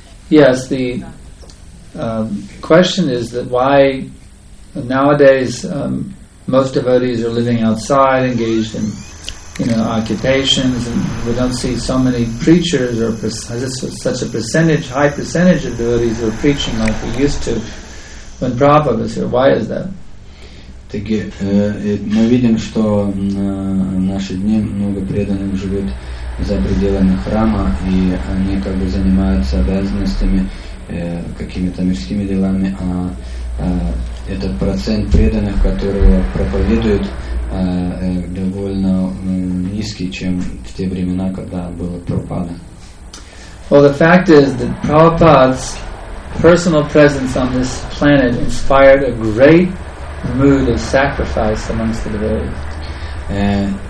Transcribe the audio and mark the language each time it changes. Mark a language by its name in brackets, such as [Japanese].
[English] Yes, the question is that why nowadays most devotees are living outside, engaged in, you know, occupations, and we don't see so many preachers or such a percentage, high percentage of devotees who are preaching like we used to when Prabhupada was here. Why is that? [Lithuanian] Taigi, [Russian] мы видим, что наши дни много преданных живут за пределами храма, и они как бы занимаются обязанностями, какими-то мирскими делами, а этот процент преданных, которые проповедуют, довольно низкий, чем в те времена, когда было Прабхупада. [English] Well, the fact is that Prabhupada's personal presence on this planet inspired a great mood of sacrifice amongst the devotees.